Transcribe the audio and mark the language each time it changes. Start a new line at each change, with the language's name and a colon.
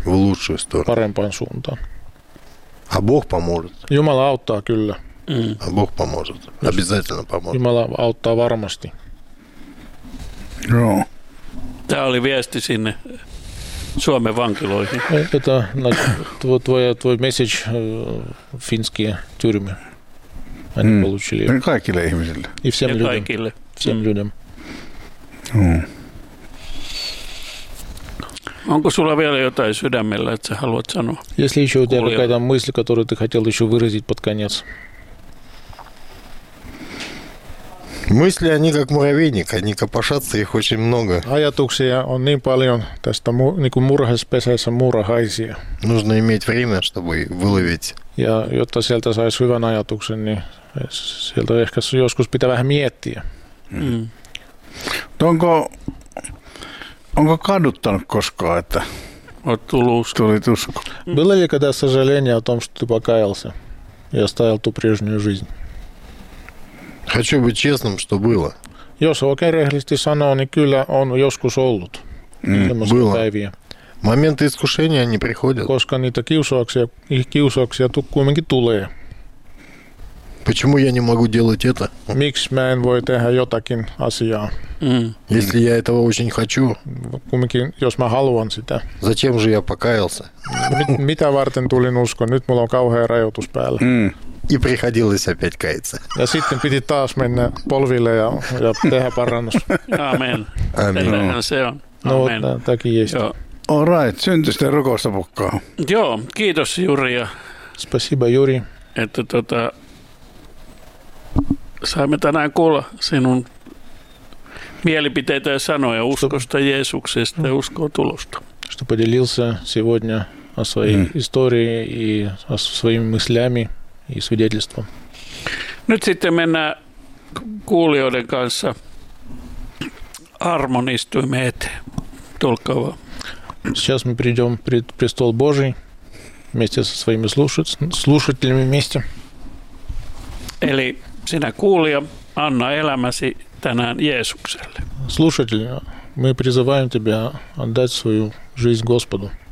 Russian: В лучшую сторону.
Finnish: Parempaan suuntaan.
Russian: А Бог поможет.
Finnish: Jumala auttaa kyllä.
Russian: А Бог поможет. Обязательно поможет.
Finnish: Jumala auttaa varmasti. Joo. No. Tämä oli viesti sinne Suomen vankiloihin.
Russian: Это твой message финские тюрьмы. Они получили.
Finnish: И kaikille ihmisille.
Russian: И всем людям.
Finnish: Kaikille.
Russian: Всем людям.
Finnish: Onko sulla vielä jotain sydämellä, että sä haluat sanoa?
Russian: Если еще у тебя какая-то мысль, которую ты хотел еще выразить под конец. Мысли, они как муравейник, они копошатся, их очень много.
Finnish: Ajatuksia on niin paljon tästä niinku murhaspesässä murhaisia.
Russian: Нужно иметь время, чтобы выловить.
Finnish: Ja jotta sieltä saisi hyvän ajatuksen, niin sieltä ehkä joskus pitää vähän miettiä. Onko kaduttanut koskaan, että tuli usko?
Russian: Было ли когда сожаление о том, что ты покаялся и оставил ту прежнюю жизнь? Хочу быть честным, что было.
Finnish: Jos oikein rehellisesti sanoo, niin kyllä on joskus ollut.
Russian: Было.
Finnish: Päiviä.
Russian: Моменты искушения не приходят.
Finnish: Koska niitä kiusauksia kuitenkin tulee.
Russian: Почему я не могу делать это?
Finnish: Miksi mä en voi tehdä jotakin asiaa?
Russian: Если я этого очень хочу.
Finnish: Kuitenkin, jos mä haluan sitä.
Russian: Зачем же я покаялся?
Finnish: Mitä varten tulin uskoon? Nyt mulla on kauhea rajoitus päällä.
Russian: И приходилось опять каяться.
Finnish: Ja sitten piti taas mennä polville ja tehdä parannus. Amen. Amen. Se on. No, takin jeesti. All right, syntyisten rukousta pukkaa. Joo, kiitos Juri.
Russian: Спасибо, Juri.
Finnish: Että saimme tänään kuulla sinun mielipiteitä ja sanoja uskosta Jeesuksesta ja uskoa tulosta.
Russian: Что поделился сегодня о своей истории и о своими мыслями и свидетельством.
Finnish: Nyt sitten mennään kuulijoiden kanssa armon istuimme eteen. Tulkaa vaan.
Russian: Сейчас мы придем пред престол Божий вместе со своими слушателями вместе.
Finnish: Eli sinä kuulija, anna elämäsi tänään Jeesukselle.
Russian: Слушатель, мы призываем тебя отдать свою жизнь Господу.